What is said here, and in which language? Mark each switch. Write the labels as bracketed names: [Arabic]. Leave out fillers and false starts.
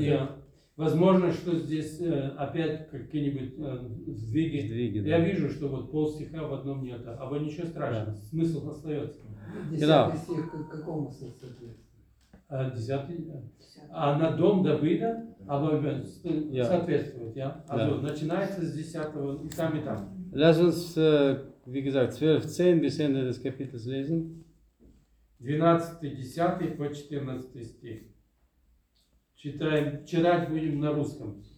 [Russian] Ja, возможно, что здесь опять какие-нибудь сдвиги. Я вижу, что вот пол стиха в одном нет, aber ничего страшного, yeah. Смысл остается. 10 стих, какому соответствует? Десятый. А на дом Давида, соответствует, [German] ja? [Russian] Also начинается с 10 и там. [German] Lass uns, wie gesagt, 12.10 bis Ende des Kapitels lesen. [Russian] 12.10 по 14 стих. Читаем, читать будем на русском.